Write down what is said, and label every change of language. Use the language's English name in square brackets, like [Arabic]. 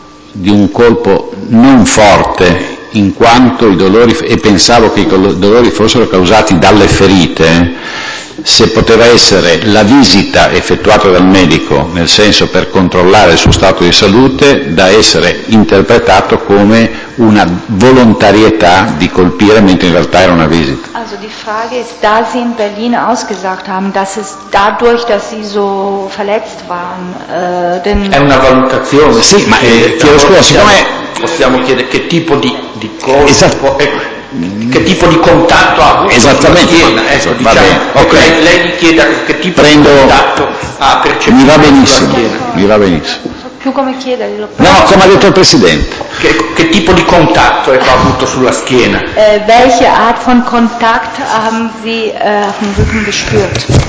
[Italian] di un colpo non forte in quanto i dolori, e pensavo che i dolori fossero causati dalle ferite, se poteva essere la visita effettuata dal medico, nel senso per controllare il suo stato di salute, da essere interpretato come una volontarietà di colpire, mentre in realtà era una visita. [German] Also die Frage ist, da sie in Berlin ausgesagt haben, dass es dadurch, dass sie so verletzt waren, [Italian] è una valutazione. Sì, ma chiedo scusa, siccome possiamo chiedere che tipo di colpo, esatto. Che tipo di contatto ha avuto? Esattamente, va bene. Okay. Lei mi chieda che tipo di contatto ha percepito. Mi va benissimo. Mi va benissimo. Più come chiederglielo. No, come ha detto il presidente. Che tipo di contatto ha avuto sulla schiena? [German] Welche Art von Kontakt haben Sie auf dem Rücken gespürt?